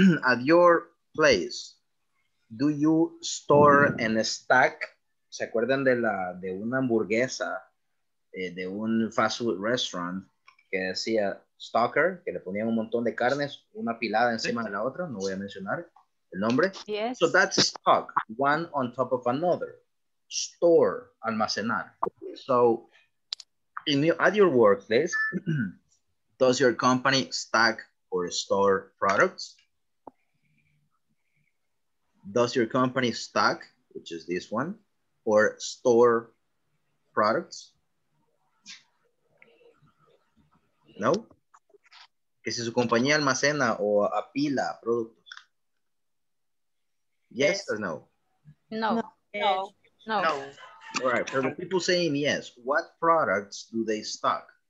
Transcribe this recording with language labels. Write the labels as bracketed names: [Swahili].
[English] At your place, do you store and stack? [Spanish] ¿Se acuerdan de la de una hamburguesa de un fast food restaurant que decía stalker, que le ponían un montón de carnes, una pilada encima de la otra? No voy a mencionar el nombre. [English] Yes. So that's stock, one on top of another. Store, almacenar. So in your, at your workplace, does your company stack or store products? Does your company stack, which is this one, or store products? No? [Spanish] ¿Que si su compañía almacena o apila productos? [English] Yes or no? No. All right, for the people saying yes, what products do they stock?